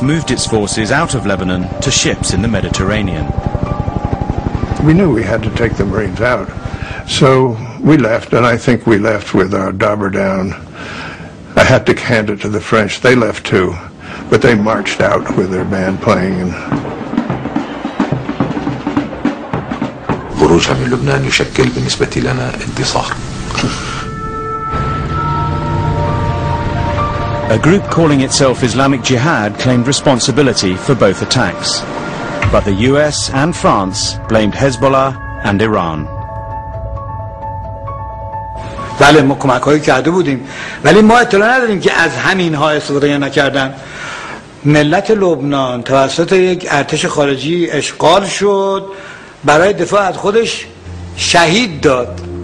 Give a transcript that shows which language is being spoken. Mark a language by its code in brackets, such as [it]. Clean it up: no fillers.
[en] moved its forces out of Lebanon to ships in the Mediterranean. We knew we had to take the Marines out. So we left, and I think we left with our dobber down. I had to hand it to the French. They left too, but they marched out with their band playing. [ar] خروجها من لبنان يشكل بالنسبة لنا انتصار. [en] A group calling itself Islamic Jihad claimed responsibility for both attacks. But the US and France blamed Hezbollah and Iran. [fa] بله ما کمک هایی کرده بودیم ولی ما اطلاع نداریم که از همین ها استفاده نکردن. ملت لبنان توسط یک ارتش خارجی اشغال شد برای دفاع از خودش شهید داد.